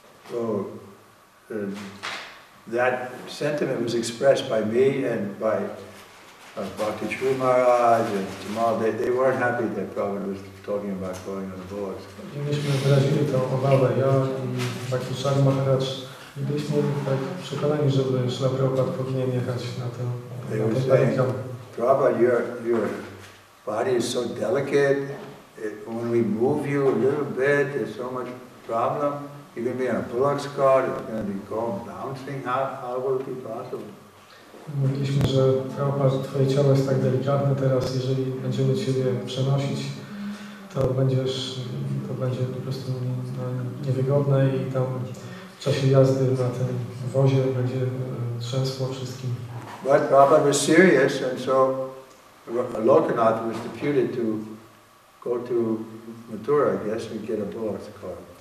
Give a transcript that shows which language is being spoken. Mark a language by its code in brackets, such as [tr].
[en] So, that sentiment was expressed by me and by Bhakti Chuli Maharaj and Tamal. They weren't happy that Prabhupada was talking about going on a bullock. [pl] Myśmy wyrazili tę obawę, ja i Bhakti Chuli Maharaj. I byliśmy tak przekonani, że Śrila Prabhupada powinien jechać na tę parikram. [en] Prabhupada, your body is so delicate. When we move you a little bit, there's so much problem. You're going to be on a bullock's car, you're going to be going bouncing. How will it be possible? [pl] Mówiliśmy, że Prabhupada, twoje ciało jest tak delikatne teraz, jeżeli będziemy ciebie przenosić, to będzie po prostu niewygodne i tam w czasie jazdy na tym wozie będzie trzęsło wszystkim. [en] But Prabhupada was serious and so Lokanath was deputed to go to Mathura, I guess, and get a bullock's car.